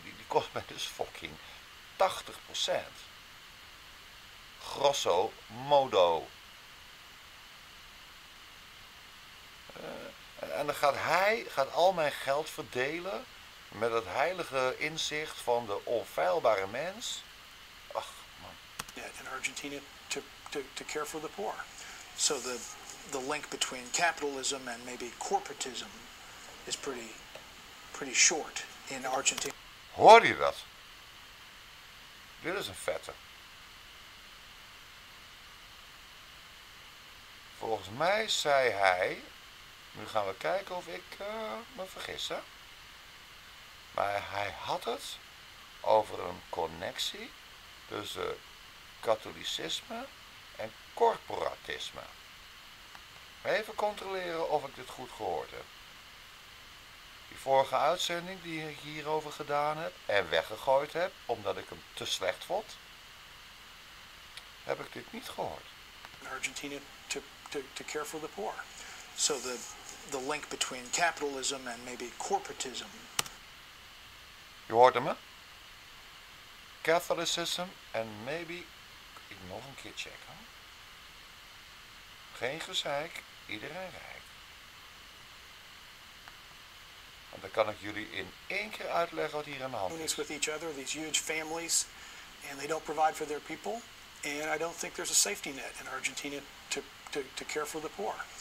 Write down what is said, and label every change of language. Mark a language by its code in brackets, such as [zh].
[nl] Die kost mij dus fucking 80%. Grosso modo. En dan gaat hij al mijn geld verdelen. met het heilige inzicht van de onfeilbare mens. Ach man. [en] Yeah, in Argentina to care for the poor. So the link between capitalism and maybe corporatism is pretty short in Argentina. [nl] Hoor je dat? Dit is een vette. Volgens mij zei hij. Nu gaan we kijken of ik me vergis. Hè? Maar hij had het over een connectie tussen katholicisme en corporatisme. Even controleren of ik dit goed gehoord heb. Die vorige uitzending die ik hierover gedaan heb en weggegooid heb omdat ik hem te slecht vond, heb ik dit niet gehoord. [en] In Argentina to care for the poor. So the link between capitalism and maybe corporatism. [nl] Je hoort hem, hè? [en] Catholicism and maybe. [nl] Ik nog een keer checken. Geen gezeik, iedereen rijk. Want dan kan ik jullie in één keer uitleggen wat hier aan de hand is. [en] With each other, these huge families, and they don't provide for their people. And I don't think there's a safety net in Argentina to care for the poor.